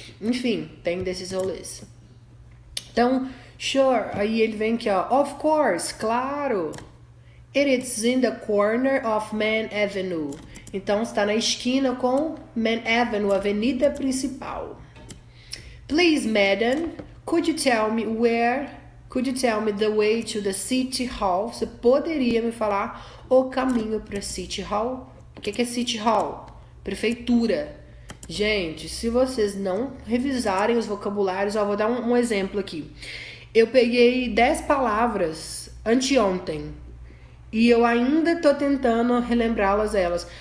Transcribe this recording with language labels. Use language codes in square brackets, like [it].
[pt] Enfim, tem desses rolês. Então, [en] sure, [pt] aí ele vem aqui, ó, [en] of course, [pt] claro. [en] It is in the corner of Main Avenue. [pt] Então está na esquina com Man Avenue, Avenida Principal. [en] Please, madam, could you tell me the way to the City Hall? [pt] Você poderia me falar o caminho para City Hall? O que é City Hall? Prefeitura. Gente, se vocês não revisarem os vocabulários, ó, vou dar um exemplo aqui. Eu peguei 10 palavras anteontem e eu ainda tô tentando relembrá-las elas.